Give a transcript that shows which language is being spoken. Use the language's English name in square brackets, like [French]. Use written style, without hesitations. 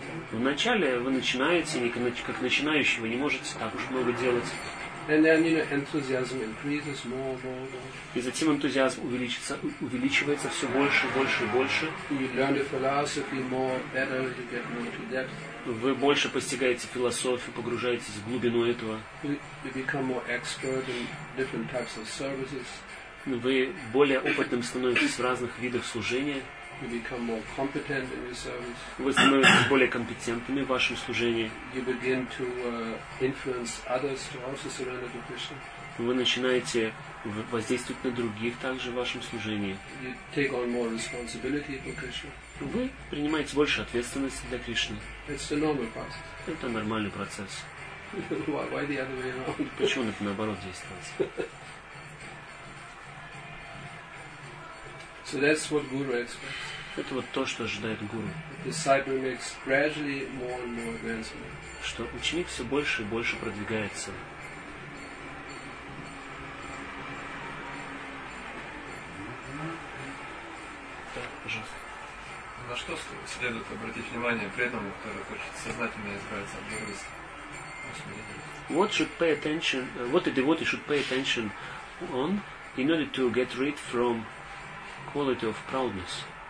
[Russian] Вначале вы начинаете, как начинающий, вы не можете так уж много делать. [English] And then, you know, enthusiasm increases more. [Russian] И затем энтузиазм увеличивается все больше, больше и больше. [English] You learn the philosophy more, better, you get more into depth. [Russian] Вы больше постигаете философию, погружаетесь в глубину этого. [English] You become more expert in different types of services. [Russian] Вы более опытным становитесь в разных видах служения. [English] You become more competent in your service. [Russian] Вы становитесь более компетентными в вашем служении. [English] You begin to influence others to also surrender to Krishna. [Russian] Вы начинаете воздействовать на других также в вашем служении. [English] You take on more responsibility for Krishna. [Russian] Вы принимаете больше ответственности для Кришны. [English] It's a normal process. [Russian] Это нормальный процесс. [English] Why the other way around? [Russian] Почему это наоборот действовать? [English] So that's what guru expects. [Russian] Это вот то, что ожидает гуру. [English] Disciple makes gradually more and more advancement. [Russian] Что ученик все больше и больше продвигается. Да, на что следует обратить внимание преданному, который хочет сознательно избавиться от гурусы? [English] What should pay attention? What a devotee should pay attention on in order to get rid from quality of proudness.